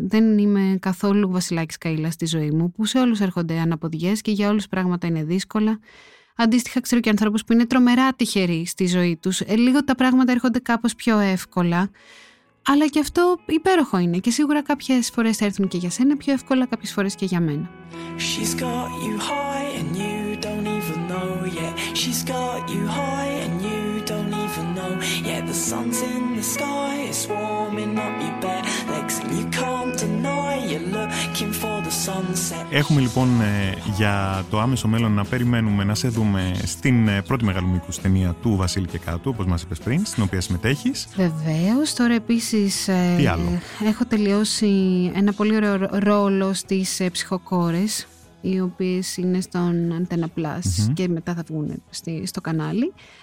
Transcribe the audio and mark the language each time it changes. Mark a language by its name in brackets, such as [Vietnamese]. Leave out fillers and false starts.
[Greek] Δεν είμαι καθόλου Βασιλάκης Καϊλά στη ζωή μου, που σε όλους έρχονται αναποδιές και για όλους πράγματα είναι δύσκολα. Αντίστοιχα, ξέρω και ανθρώπους που είναι τρομερά τυχεροί στη ζωή τους. Λίγο τα πράγματα έρχονται κάπως πιο εύκολα. Αλλά και αυτό υπέροχο είναι. Και σίγουρα κάποιες φορές θα έρθουν και για σένα πιο εύκολα, κάποιες φορές και για μένα. [English] She's got you high and you don't even know yet. She's got you high and you... Yeah, the sun's in the sky, it's warming up your bed. Legs, you can't deny you're looking for the sunset. [Greek] Έχουμε λοιπόν για το άμεσο μέλλον να περιμένουμε να σε δούμε στην πρώτη μεγάλη μήκους ταινία του Βασίλη και Κάτου, όπως μας είπες πριν, στην οποία συμμετέχεις. Βεβαίως, τώρα επίσης τι άλλο? Έχω τελειώσει ένα πολύ ωραίο ρόλο στις ψυχοκόρες, οι οποίες είναι στον Antenna Plus και μετά θα βγουν στο κανάλι.